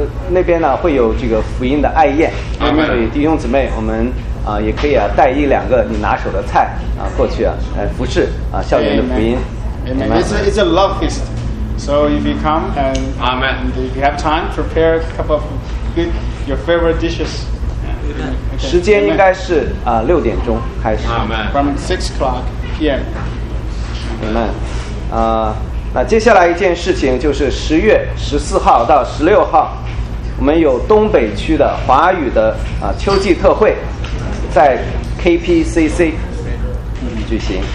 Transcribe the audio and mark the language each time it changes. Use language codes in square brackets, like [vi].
[zh] 那边呢会有这个福音的爱宴。 [en] Amen. [zh] 所以弟兄姊妹，我们也可以带一两个你拿手的菜过去来服侍校园的福音。 [en] Amen. Amen. It's a love feast. So if you come and Amen. If you have time, prepare a couple of good your favorite dishes. Okay. [zh] 时间应该是六点钟开始。 [en] Amen. From 6:00 PM. Amen. [zh] 那接下来一件事情就是10月14号到16号，我们有东北区的华语的秋季特会，在 KPCC 举行。